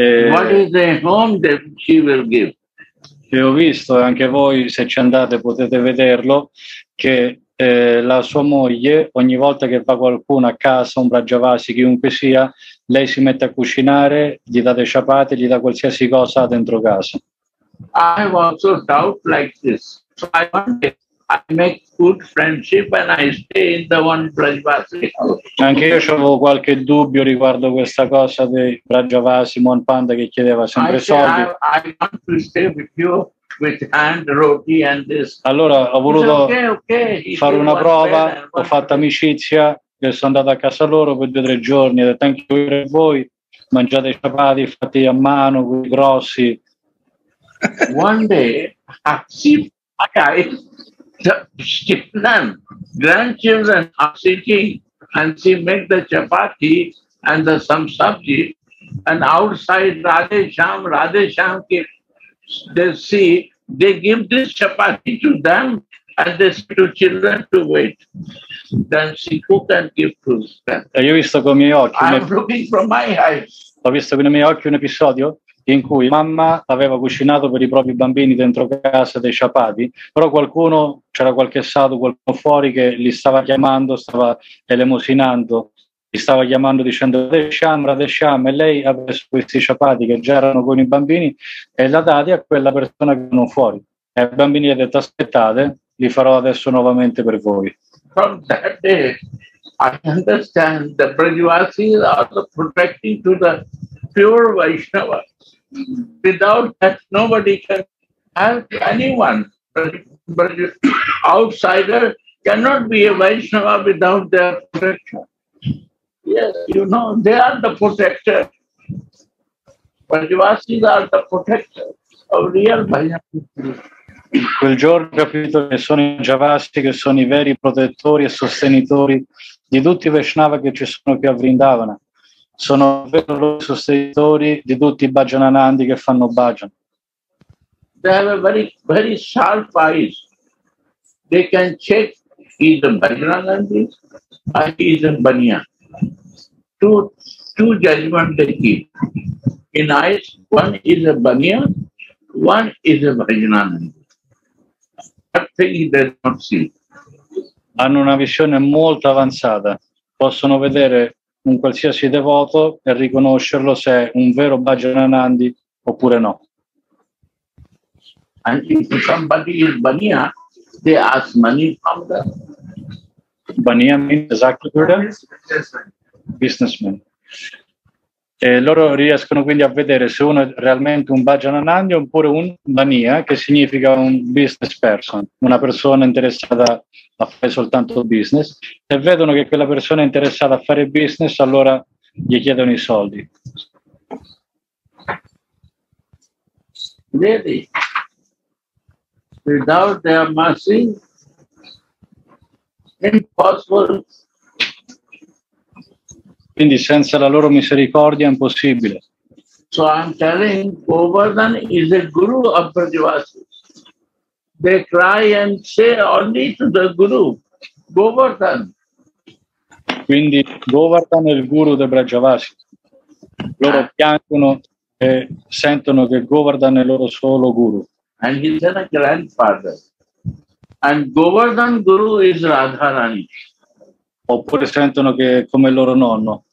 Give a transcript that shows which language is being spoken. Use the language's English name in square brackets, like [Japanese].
[English] What is the home that she will give? [Italian] E ho visto, anche voi se ci andate potete vederlo, che la sua moglie, ogni volta che va qualcuno a casa, un Brajavasi, chiunque sia, lei si mette a cucinare, gli dà dei chapati, gli dà qualsiasi cosa dentro casa. [English] I also doubt like this. So I wonder, I make good friendship and I stay in the one Brajavasi house. [Italian] Anche io avevo qualche dubbio riguardo questa cosa dei Brajavasi, Mon Panda, che chiedeva sempre soldi. [English] I want to stay with you with hand roti and this. [Italian] Allora ho voluto fare una prova, ho fatto amicizia, che sono andato a casa loro per 2 o 3 giorni, ho detto anche per voi, mangiate chapati fatti a mano, quei grossi. [English] One day, Akshay, the grandchildren are sitting and she make the chapati and the some sabji, and outside Radhe Shyam, they see, they give this chapati to them and they say to children to wait. Then she cook and give to them. [Italian] E io ho visto con i miei occhi. [English] Looking from my eyes. [Italian] Ho visto con i miei occhi un episodio in cui mamma aveva cucinato per i propri bambini dentro casa dei chapati, però qualcuno, c'era qualche sadhu, qualcuno fuori che li stava chiamando, stava elemosinando, li stava chiamando dicendo Radhe Shyam, e lei ha preso questi chapati che già erano con i bambini e li ha dati a quella persona che erano fuori. E ai bambini ha detto aspettate, li farò adesso nuovamente per voi. [English] From that day, I understand the Brajavasi are protecting to the pure Vaishnava. Without that, nobody can help anyone. But outsider cannot be a Vaishnava without their protection. Yes, you know, they are the protector. Brajavasis are the protector of real Vaishnava. [Italian] Quel giorno ho capito che sono i Brajavasi che sono i veri protettori e sostenitori di tutti i Vaishnava che ci sono qui a Vrindavana. Sono vero i sostenitori di tutti i bhajananandi che fanno bhajan. [English] They have a very, very sharp eyes. They can check he's a bhajananandi or he's a baniya. Two judgment they keep. In eyes, one is a baniya, one is a bhajananandi. That thing he does not see. [Italian] Hanno una visione molto avanzata. Possono vedere un qualsiasi devoto e riconoscerlo se è un vero Bhajananandi oppure no. [English] And if somebody is Baniya, they ask money from them. Baniya means exactly what? Businessman. [Italian] E loro riescono quindi a vedere se uno è realmente un Bhajananandi oppure un Baniya, che significa un business person, una persona interessata a fare soltanto business. Se vedono che quella persona è interessata a fare business, allora gli chiedono i soldi. [English] Really? Without their mercy, impossible. [Italian] Quindi senza la loro misericordia è impossibile. [English] So I'm telling, Govardhan is a guru of Brajavasi. They cry and say only to the guru, Govardhan. [Italian] Quindi Govardhan è il guru dei Brajavasi. Loro piangono e sentono che Govardhan è il loro solo guru. [English] And he's a grandfather. And Govardhan guru is Radharani. [Italian] Oppure sentono che è come il loro nonno.